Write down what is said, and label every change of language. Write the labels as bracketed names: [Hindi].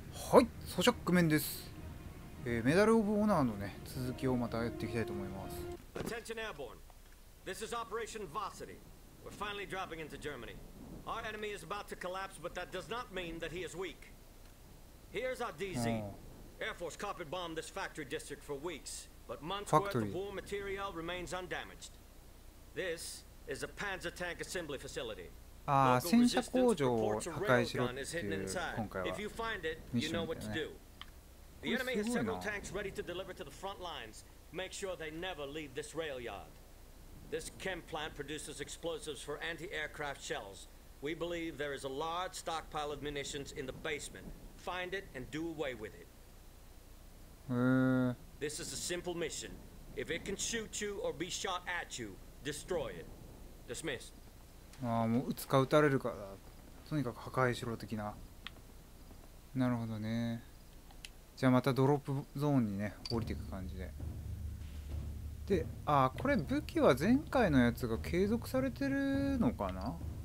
[Japanese] はい、ソシャック面です。メダルオブオナーのね、続きをまたやっていきたいと思います。 [English] Attention Airborne. This is Operation Varsity. We're finally dropping into Germany. Our enemy is about to collapse, but that does not mean that he is weak. Here's our DZ. Air Force carpet bombed this factory district for weeks, but months worth of war material remains undamaged. This is a Panzer tank assembly facility. [Japanese] ああ、戦車工場を破壊しろっていう今回はミッションだよね。これすごいな。タンク [English] ready to deliver to the front lines. Make sure they never leave this rail yard. This chem plant produces explosives for anti-aircraft shells. We believe there is a large stockpile of munitions in the basement. Find it and do away with it. This is a simple mission. If it can shoot you or be shot at you, destroy it. Dismiss. [Japanese] ああ、もう撃つか撃たれるかだ。とにかく破壊しろ的な。なるほどね。じゃあまたドロップゾーンにね、降りていく感じで。で、ああ、これ武器は前回のやつが継続されてるのかな？